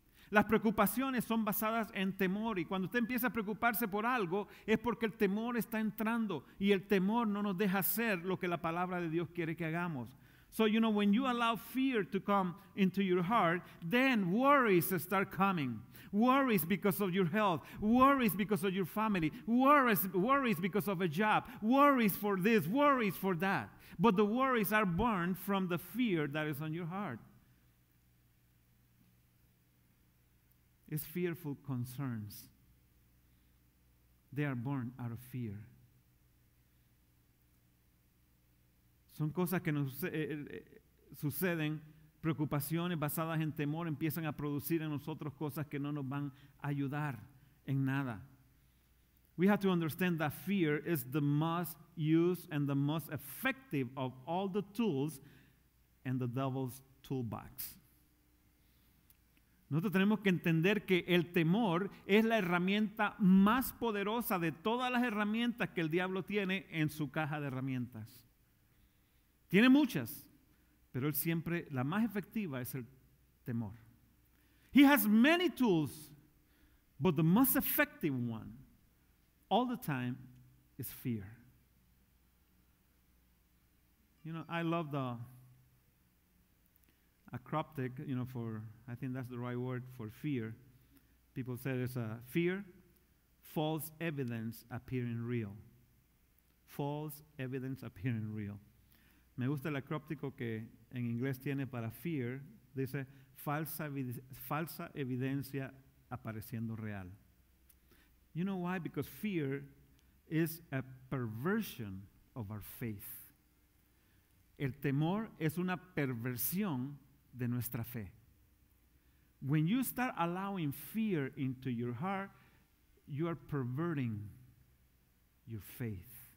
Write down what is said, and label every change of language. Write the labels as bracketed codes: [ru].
[es] Las preocupaciones son basadas en temor, y cuando usted empieza a preocuparse por algo es porque el temor está entrando, y el temor no nos deja hacer lo que la palabra de Dios quiere que hagamos. [en] So you know, when you allow fear to come into your heart, then worries start coming. Worries because of your health, worries because of your family, worries because of a job, worries for this, worries for that. But the worries are born from the fear that is on your heart. It's fearful concerns. They are born out of fear. [es] Son cosas que nos suceden, preocupaciones basadas en temor empiezan a producir en nosotros cosas que no nos van a ayudar en nada. [en] We have to understand that fear is the most used and the most effective of all the tools in the devil's toolbox. [es] Nosotros tenemos que entender que el temor es la herramienta más poderosa de todas las herramientas que el diablo tiene en su caja de herramientas. Tiene muchas, pero él siempre, la más efectiva es el temor. [en] He has many tools, but the most effective one all the time is fear. You know, I love the acroptic, you know, for, I think that's the right word for fear. People say it's a fear, false evidence appearing real. False evidence appearing real. [es] Me gusta el acróptico que en inglés tiene para fear, Dice, falsa evidencia apareciendo real. [en] You know why? Because fear is a perversion of our faith. [es] El temor es una perversión de nuestra fe. [en] When you start allowing fear into your heart, you are perverting your faith.